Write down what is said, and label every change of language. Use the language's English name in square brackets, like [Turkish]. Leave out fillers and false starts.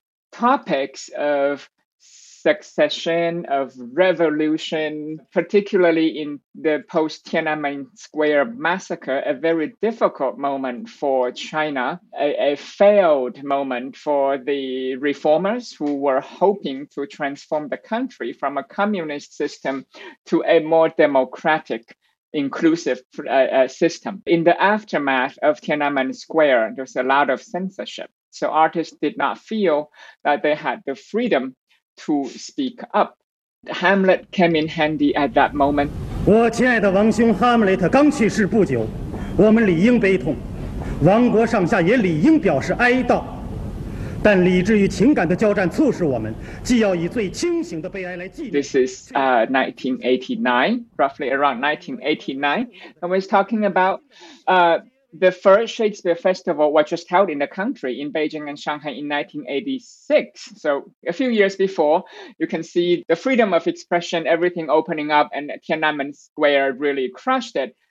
[English] topics of succession, of revolution, particularly in the post-Tiananmen Square massacre, a very difficult moment for China, a failed moment for the reformers who were hoping to transform the country from a communist system to a more democratic inclusive system. In the aftermath of Tiananmen Square, there was a lot of censorship. So artists did not feel that they had the freedom to speak up. Hamlet came in handy at that moment. [Chinese] 我亲爱的王兄, Hamlet 刚去世不久, 我们理应悲痛, 王国上下也理应表示哀悼, 但理智与情感的交战促使我们, 既要以最清醒的悲哀来纪念。 [English] This is 1989, roughly around 1989. And we're talking about the first Shakespeare Festival was just held in the country in Beijing and Shanghai in 1986. So a few years before, you can see the freedom of expression, everything opening up, and Tiananmen Square really crushed it.